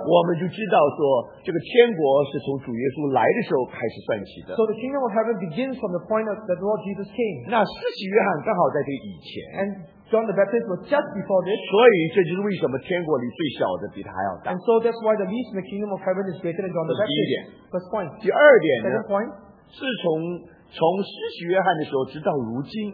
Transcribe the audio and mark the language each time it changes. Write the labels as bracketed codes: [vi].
[zh] 我们就知道说, 这个天国是从主耶稣来的时候开始算起的, [en] so the kingdom of heaven begins from the point of the Lord Jesus came. [zh] 那施洗约翰刚好在这以前, [en] and John the Baptist was just before this. [zh] 所以这就是为什么天国里最小的比他还要大。 [en] And so that's why the least in the kingdom of heaven is greater than John the Baptist. [zh] 这是第一点。 [en] First point. [zh] 第二点呢, [en] second point, [zh] 是从施洗约翰的时候直到如今,